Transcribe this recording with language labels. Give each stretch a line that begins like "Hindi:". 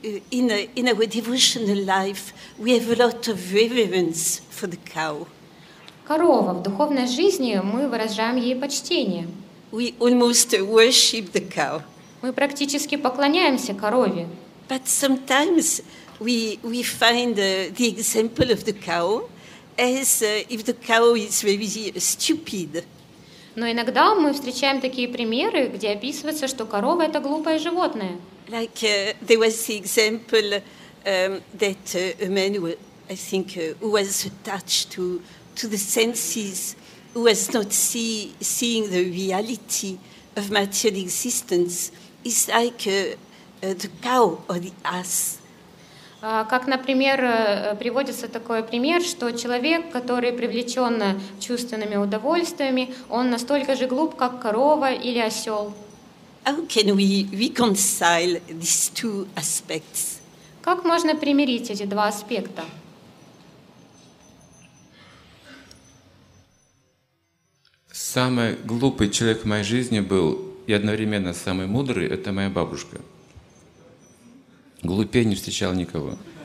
English: In our devotional life, we have a lot of reverence for the cow.
Russian: Корова. В духовной жизни мы выражаем ей почтение.
English: We almost worship the cow.
Russian: Мы практически поклоняемся корове.
English: But sometimes we find the example of the cow as if the cow is very stupid.
Russian: Но иногда мы встречаем такие примеры, где описывается, что корова – это глупое животное.
English: Like there was the example that a man, who was attached to the senses, who was not seeing the reality of material existence, is like the cow or the ass.
Russian: Как, например, приводится такой пример, что человек, который привлечен чувственными удовольствиями, он настолько же глуп, как корова или осел.
English: How can we reconcile these two aspects?
Russian: Как можно примирить эти два аспекта? Самый глупый человек в моей жизни был и одновременно самый мудрый – это моя бабушка. Глупее не встречал никого.